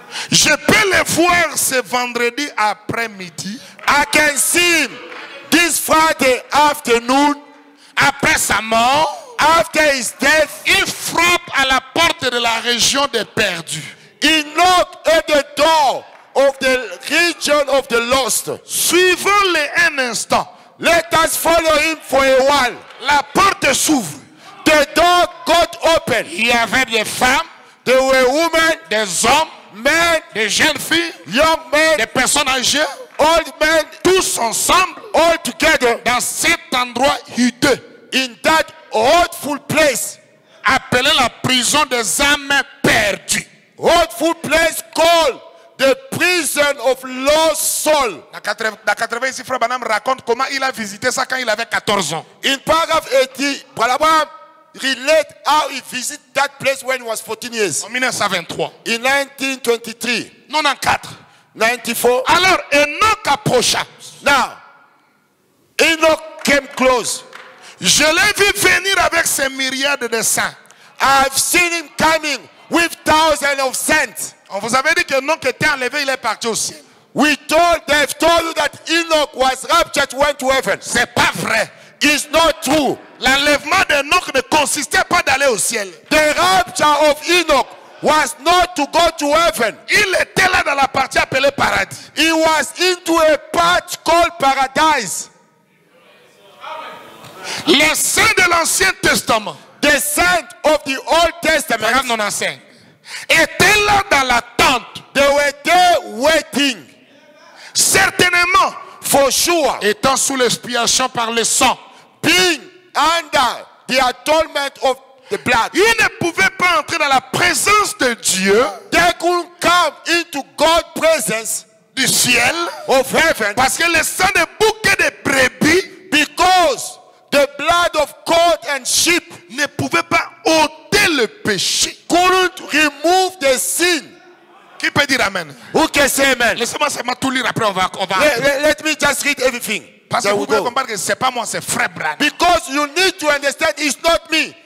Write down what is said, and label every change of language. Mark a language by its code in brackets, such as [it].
[fr] Je peux le voir ce vendredi après-midi. [en] I can see him this Friday afternoon. [fr] Après sa mort, [en] after his death, [fr] il frappe à la porte de la région des perdus. [en] He knocked at the door of the region of the lost. [fr] Suivons-le un instant. [en] Let us follow him for a while. [fr] La porte s'ouvre. [en] The door got open. [fr] Il y avait des femmes. [en] There were women. [fr] Des hommes. [en] Men. [fr] Des jeunes filles. [en] Young men. [fr] Des personnes âgées. [en] Old men. [fr] Tous ensemble. [en] All together. [fr] Dans cet endroit hideux. [en] In that hurtful place. [fr] Appelé la prison des âmes perdues. [en] Hurtful place called the prison of lost soul. [fr] Dans 80 ici, Frère Branham raconte comment il a visité ça quand il avait 14 ans. [en] In paragraph 80, Frère Branham relate how he visited that place when he was 14 years. [fr] En 1923. [en] In 1923. [fr] 94. [en] 94. [fr] Alors, Enoch approcha. [en] Now, Enoch came close. [fr] Je l'ai vu venir avec ses myriades de saints. [en] I've seen him coming with thousands of saints. [fr] On vous avait dit que Enoch était enlevé, il est parti au ciel. [en] We told, they've told you that Enoch was raptured, went to heaven. [fr] C'est pas vrai. [en] It's not true. [fr] L'enlèvement d'Enoch ne consistait pas d'aller au ciel. [en] The rapture of Enoch was not to go to heaven. [fr] Il était là dans la partie appelée paradis. [en] He was into a part called paradise. [fr] Les saints de l'Ancien Testament, [en] the saints of the Old Testament, [fr] frère non-enseigne, étaient là dans la tente. [en] They were there waiting. [fr] Certainement, [en] for sure, [fr] étant sous l'expiation par le sang, [en] being under the atonement of the blood, [fr] ils ne pouvaient pas entrer dans la présence de Dieu. [en] They couldn't come into God's presence, [fr] du ciel, [en] of heaven, [fr] parce que le sang de bouc et de brebis, [en] because the blood of goat and sheep, [fr] ne pouvait pas ôter le péché. [en] Couldn't remove the sin. [fr] Qui peut dire amen? [en] Who can say amen? [fr] Laissez-moi tout lire après on va. [en] Let me just read everything. [fr] Parce que vous pouvez comprendre que c'est pas moi, c'est Frère Branham. [en] Because you need to understand, it's not me.